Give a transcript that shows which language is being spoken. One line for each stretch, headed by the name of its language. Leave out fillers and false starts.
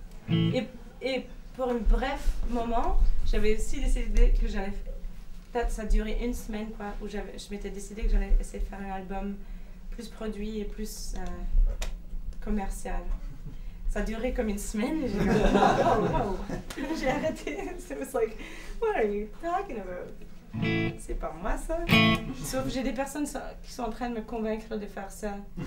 French: Et pour un bref moment, j'avais aussi décidé que j'allais... Peut-être ça a duré une semaine, quoi, où je m'étais décidé que j'allais essayer de faire un album plus produit et plus commercial. Ça a duré comme une semaine. Et j'ai, j'ai arrêté.
English: It was like, what are you talking about?
French: C'est pas moi ça. Sauf que j'ai des personnes qui sont en train de me convaincre de faire ça.